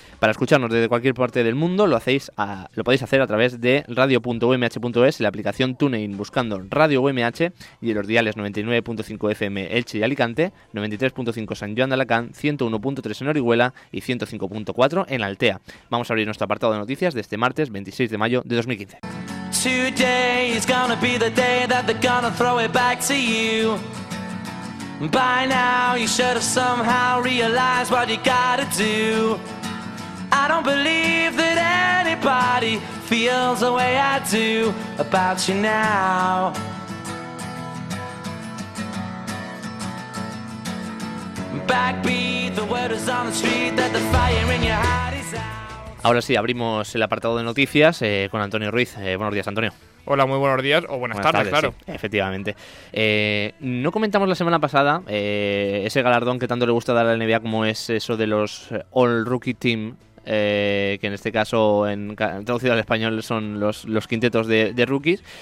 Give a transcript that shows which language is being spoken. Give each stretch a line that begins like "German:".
Spanish: Para escucharnos desde cualquier parte del mundo, lo podéis hacer a través de radio.umh.es, la aplicación TuneIn buscando Radio UMH y en los diales 99.5 FM Elche y Alicante, 93.5 San Juan de Alacant, 101.3 en Orihuela y 105.4 en Altea. Vamos a abrir nuestro apartado de noticias de este martes 26 de mayo de 2015.
English: Today is gonna be the day that they're gonna throw it back to you. By now you should have somehow realized what you gotta do. I don't believe that anybody feels the way I do about you now. Backbeat, the word is on the street that the fire in your heart is out.
Spanish: Ahora sí, abrimos el apartado de noticias con Antonio Ruiz. Buenos días, Antonio. Hola, muy buenos días o buenas tardes, claro. Sí, efectivamente. No comentamos la semana pasada ese galardón que tanto le gusta dar a la NBA, como es eso de los All Rookie Team. Que en este caso, traducido al español, son los quintetos de rookies.